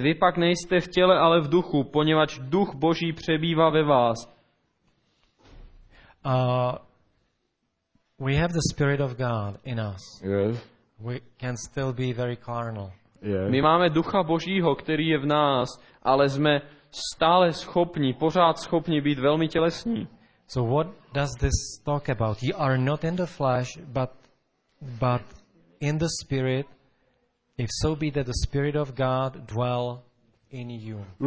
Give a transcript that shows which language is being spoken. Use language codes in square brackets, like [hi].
[cs] Vy pak nejste v těle, ale v duchu, poněvadž duch Boží přebývá ve vás. [en] We have the spirit of God in us. Yes. We can still be very carnal. [cs] Yes. My máme ducha Božího, který je v nás, ale jsme stále schopni, pořád schopni být velmi tělesní. [en] So what does this talk about? You are not in the flesh, but in the spirit, if so be that the spirit of God dwell in you.